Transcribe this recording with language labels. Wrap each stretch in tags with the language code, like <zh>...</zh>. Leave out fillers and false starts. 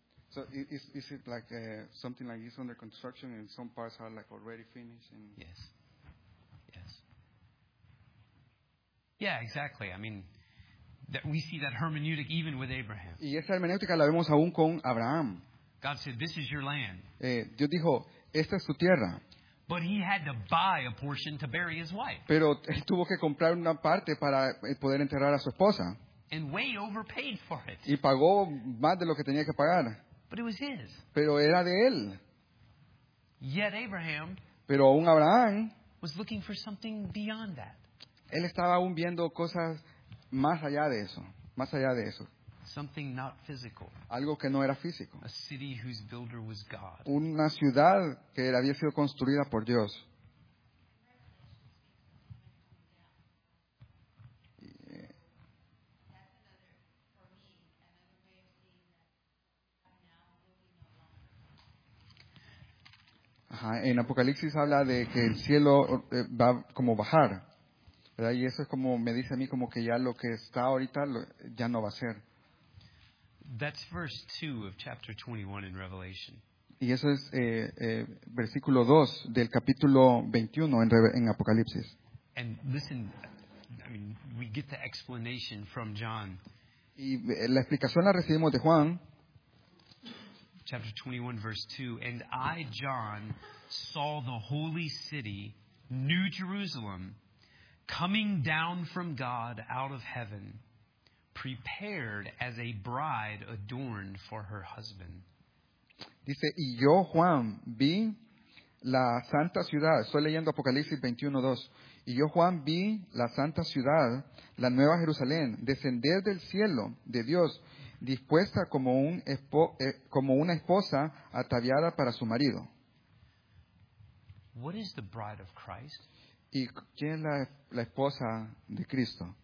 <en>So is it like something like it's under construction and some parts are like already finished? And Yes. Yeah, exactly. I mean, that we see that hermeneutic even with Abraham.</en> <es>Y esa hermenéutica la vemos aún con Abraham.</es> <en>God said, "This is your land."</en> <es>Dios dijo, "Esta es tu tierra."</es> <en>But he had to buy a portion to bury his wife.</en> <es>Pero él tuvo que comprar una parte para poder enterrar a su esposa.</es> <en>And way overpaid for it.</en> <es>Y pagó más de lo que tenía que pagar.</es> <en>But it was his.</en> <es>Pero era de él.</es> <en>Yet Abraham,</en> <es>pero aún Abraham</es> <en>was looking for something beyond that.</en> <es>Él estaba aún viendo cosas más allá de eso, más allá de eso.</es> <en>Something not physical.</en> <es>Algo que no era físico.</es> <en>A city whose builder was God.</en> <es>Una ciudad que había sido construida por Dios. En Apocalipsis habla de que el cielo va como bajar, ¿verdad? Y eso es como me dice a mí como que ya lo que está ahorita ya no va a ser.</es> <en>That's verse 2 of chapter 21 in Revelation.</en> <es>Y eso es versículo 2 del capítulo 21 en Apocalipsis.</es> <en>And listen, I mean, we get the explanation from John.</en> <es>Y la explicación la recibimos de Juan.</es> <en>Chapter 21, verse 2. And I, John, saw the holy city, New Jerusalem, coming down from God out of heaven, prepared as a bride adorned for her husband.</en> <es>Dice, y yo, Juan, vi la santa ciudad. Estoy leyendo Apocalipsis 21:2. Y yo, Juan, vi la santa ciudad, la nueva Jerusalén, descender del cielo de Dios, dispuesta como un como una esposa ataviada para su marido.</es> <en>What is the bride of Christ?</en> <es>¿Y quién es la esposa de Cristo?</es>